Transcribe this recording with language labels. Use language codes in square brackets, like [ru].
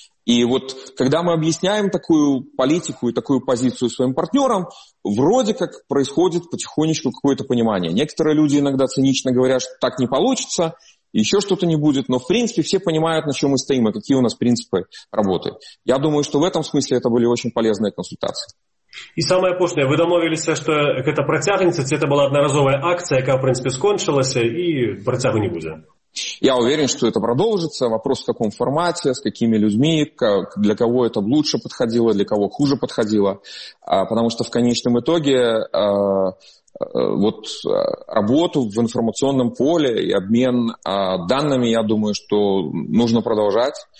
[ru] И вот когда мы объясняем такую политику и такую позицию своим партнерам, вроде как происходит потихонечку какое-то понимание. Некоторые люди иногда цинично говорят, что так не получится, еще что-то не будет. Но в принципе все понимают, на чем мы стоим и какие у нас принципы работы. Я думаю, что в этом смысле это были очень полезные консультации. [be] І самае апошняе, вы дамовіліся, што гэта працягнецца, ці гэта была аднаразовая акцыя, якая, в прынцыпе, скончылася і працягу не будзе? [ru] Я уверен, что это продолжится. Вопрос, в каком формате, с какими людьми, для кого это лучше подходило, для кого хуже подходило. Потому что в конечном итоге вот работу в информационном поле и обмен данными, я думаю, что нужно продолжать.